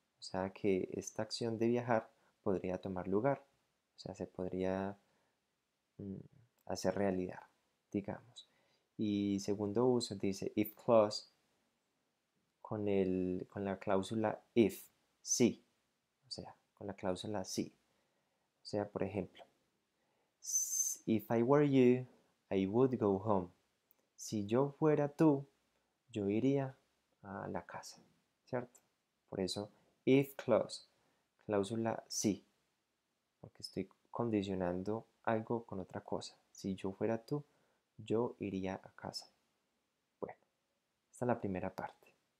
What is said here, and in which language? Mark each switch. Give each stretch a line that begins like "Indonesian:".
Spanish: O sea que esta acción de viajar podría tomar lugar, o sea, se podría hacer realidad, digamos. Y segundo uso dice: if clause, con la cláusula if, sí, o sea, con la cláusula sí. O sea, por ejemplo:
English: if I were you, I would go home.
Spanish: Si yo fuera tú, yo iría a la casa, ¿cierto? Por eso. If clause, cláusula sí, porque estoy condicionando algo con otra cosa. Si yo fuera tú, yo iría a casa. Esta es la primera parte.